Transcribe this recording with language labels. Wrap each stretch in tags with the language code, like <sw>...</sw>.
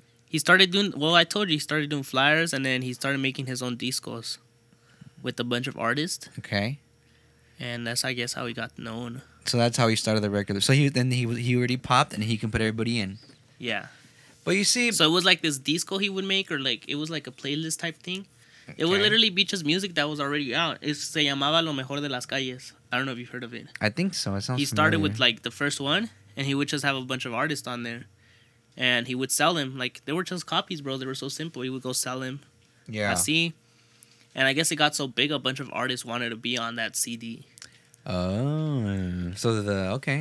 <en>He started doing, well, I told you, he started doing flyers, and then he started making his own discos with a bunch of artists. Okay. And that's, I guess, how he got known. So that's how he started the record. So he already popped, and he can put everybody in. Yeah. But you see... So it was like this disco he would make, or like it was like a playlist type thing. Okay. It would literally be just music that was already out. It's</en> <es>Se llamaba Lo Mejor de las Calles.</es> <en>I don't know if you've heard of it. I think so. It sounds He started familiar. With like the first one, and he would just have a bunch of artists on there. And he would sell them. Like, they were just copies, bro. They were so simple. He would go sell them. Yeah. I see. And I guess it got so big, a bunch of artists wanted to be on that CD. Oh. So the... Okay.</en>